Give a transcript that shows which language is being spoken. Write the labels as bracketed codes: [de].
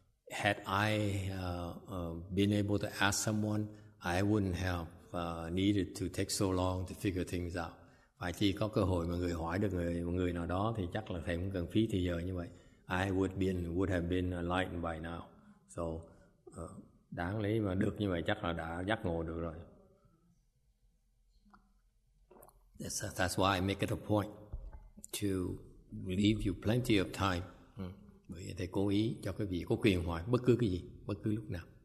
[en] Had I been able to ask someone, I wouldn't have needed to take so long to figure things out. [vi] Phải chỉ có cơ hội mà người hỏi được người nào đó thì chắc là thầy cũng cần phí thời giờ như vậy. [en] I would have been enlightened by now. [vi] So đáng lý mà được như vậy chắc là đã giác ngộ được rồi. [en] That's why I make it a point to leave you plenty of time. [vi] Bởi vì thầy cố ý cho quý vị có quyền hỏi bất cứ cái gì, bất cứ lúc nào.